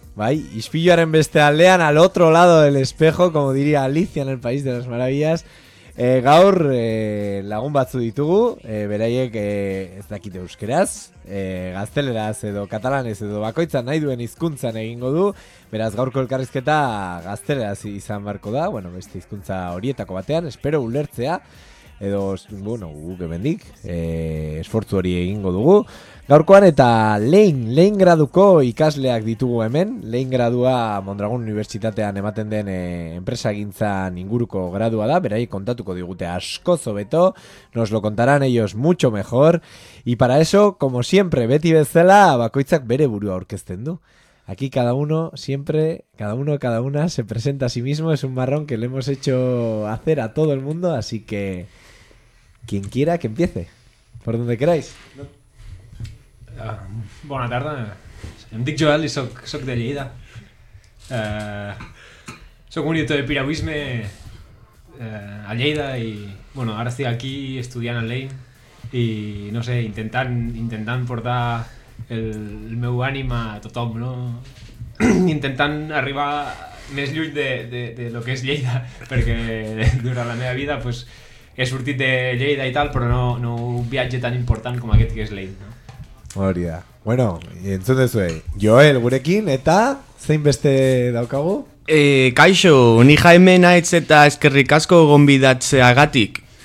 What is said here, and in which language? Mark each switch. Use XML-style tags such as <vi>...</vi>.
<eu>Bai, ispilloaren beste aldean,</eu> <es>al otro lado del espejo, como diría Alicia en el País de las Maravillas.</es> <eu>Gaur lagun batzu ditugu, beraiek ez dakite euskeraz, gazteleraz edo katalanez edo bakoitza nahi duen hizkuntzan egingo du. Beraz gaurko elkarrizketa gazteleraz izan beharko da, bueno, beste hizkuntza horietako batean, espero ulertzea. Edo, bueno, gubendik, esfortzu hori egingo dugu. Gaurkoan eta lehen graduko ikasleak ditugu hemen. Lehen gradua Mondragon Unibertsitatean ematen den enpresagintzan inguruko gradua da. Berai kontatuko digute asko zobeto.</eu> <es>Nos lo contarán ellos mucho mejor. Y para eso, como siempre,</es> <eu>beti bezala, bakoitzak bere burua aurkezten du.</eu> <es>Aquí cada uno, siempre, cada uno, cada una se presenta a sí mismo. Es un marrón que le hemos hecho hacer a todo el mundo. Así que, quien quiera que empiece. Por donde queráis.</es> <ca>Bona tarda. Em dic Joel i soc de Lleida. Soc un editor de piragüisme a Lleida i, bueno, ara estic aquí estudiant a Lein i, no sé, intentant portar el meu ànim a tothom, no? Intentant arribar més lluny de lo que és Lleida, perquè durant la meva vida pues, he sortit de Lleida i tal, però no un viatge tan important com aquest que és Lein, no?</ca> <eu>Hori da. Bueno, entzun dezue, Joel gurekin, eta zein beste daukagu? Kaixo, ni Jaime naiz eta eskerrik asko gonbidatzeagatik.</eu>